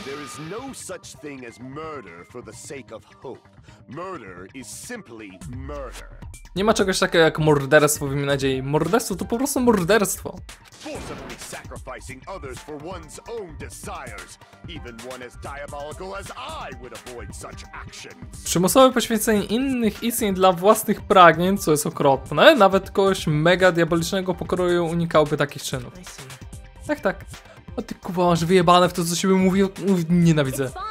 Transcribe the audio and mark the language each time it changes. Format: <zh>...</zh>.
<en>There is no such thing as murder for the sake of hope. Murder is simply murder.</en> <pl>Nie ma czegoś takiego jak morderstwo w imię nadziei. Morderstwo to po prostu morderstwo.</pl> <en>Forcibly sacrificing others for one's own desires. Even one as diabolical as I would avoid such actions.</en> <pl>Przymusowe poświęcenie innych istnień dla własnych pragnień, co jest okropne. Nawet kogoś mega diabolicznego pokroju unikałby takich czynów. Tak, tak. O ty kurwa, masz wyjebane w to, co siebie mówi. Nienawidzę.</pl>